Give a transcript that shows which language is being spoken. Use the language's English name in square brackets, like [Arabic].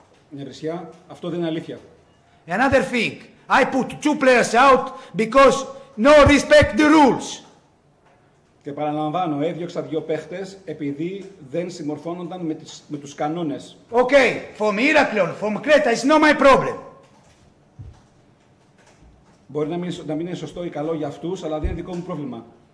[Greek] Νευρισιά, αυτό δεν είναι αλήθεια. [English] Another thing, I put 2 players out because no respect the rules. [Greek] Και παραλαμβάνω, έδιωξα 2 παίχτες επειδή δεν συμμορφώνονταν με τους κανόνες. [English] Okay, from Heraklion, from Creta, it's not my problem. [Greek] Μπορεί να μην είναι σωστό ή καλό για αυτούς, αλλά δεν είναι δικό μου πρόβλημα.